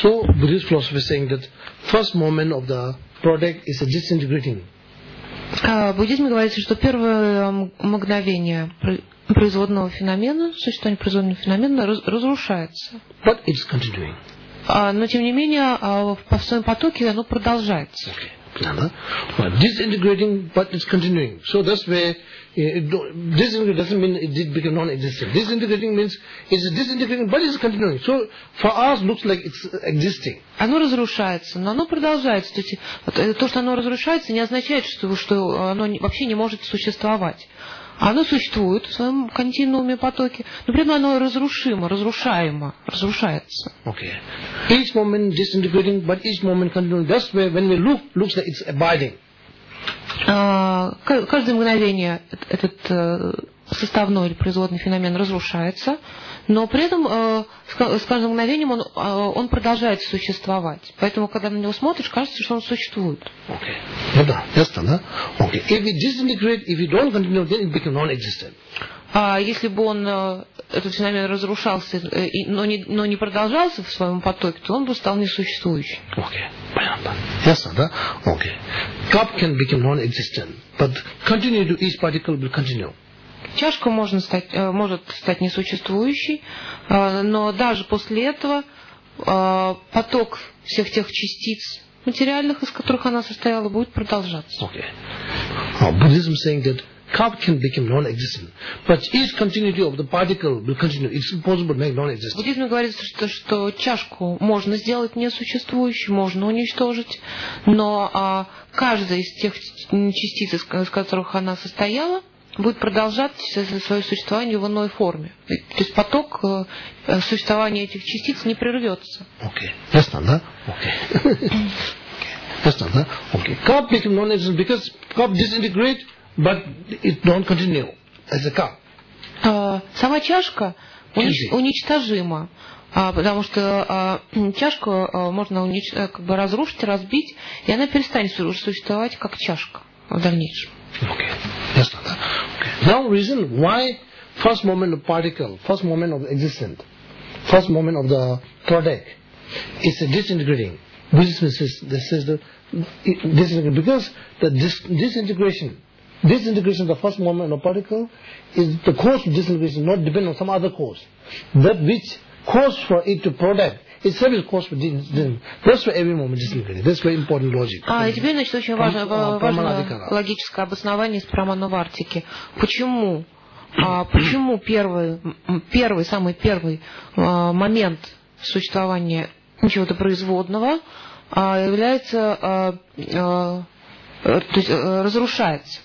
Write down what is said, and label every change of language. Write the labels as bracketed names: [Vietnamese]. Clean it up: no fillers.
[English] So, Buddhist philosophy is saying that first moment of the product is a disintegrating. [Russian] Буддизм говорит, что первое мгновение производного феномена, существование производного феномена разрушается. [English] But it's continuing. [Russian] Но, тем не менее, в своем потоке оно продолжается. [English] Okay. Disintegrating, but it's continuing. So that's where disintegrating doesn't mean it did become non-existent. Disintegrating means it's disintegrating, but it's continuing. So for us, looks like it's existing. [Russian] Оно разрушается, но оно продолжается. То есть, то, что оно разрушается, не означает, что оно вообще не может существовать. Оно существует в своем континууме потоке, но при этом оно разрушимо, разрушаемо, разрушается. [English] Okay. Each moment disintegrating, but each moment continuing. That's where when we look, looks like it's abiding. [Russian] Каждое мгновение этот составной или производный феномен разрушается, но при этом с каждым мгновением он продолжает существовать. Поэтому, когда на него смотришь, кажется, что он существует. Okay. Ну да, ясно, да? Okay. [English] If it disintegrates, if it don't continue, then it becomes non-existent. [Russian] А если бы он, этот феномен разрушался, но не продолжался в своем потоке, то он бы стал несуществующим. [English] Okay. Понятно. Ясно, да? Okay. Cup can become non-existent, but continue to each particle will continue. [Russian] Чашка может стать несуществующей, но даже после этого поток всех тех частиц материальных, из которых она состояла, будет продолжаться. Okay. [English] Buddhism saying that cup can become non-existent, but each continuity of the particle will continue. It's impossible to make non-existent. [Russian] Буддизм говорит, что чашку можно сделать несуществующей, можно уничтожить, но каждая из тех частиц, из которых она состояла, будет продолжать свое существование в иной форме. То есть поток существования этих частиц не прервется. Окей. Okay. Ясно, да? Окей. Okay. Ясно, да? Окей. Okay. [English] Cup became non-existent because cup disintegrate, but it don't continue as a cup. [Russian] Сама чашка уничтожима. Потому что чашку можно разрушить, разбить, и она перестанет существовать как чашка в дальнейшем. [English] Окей. Okay. Ясно, да? Now reason why first moment of particle, first moment of existence, first moment of the product is a disintegrating. Buddhism says disintegration of the first moment of particle is the cause of disintegration, not depend on some other cause. That which cause for it to product itself is cause for disintegration. That's why every moment disintegrating. That's very important logic. [Russian] Теперь, значит, очень важное логическое обоснование из Прамановартики. Почему? Почему самый первый момент существования чего-то производного является, то есть разрушается.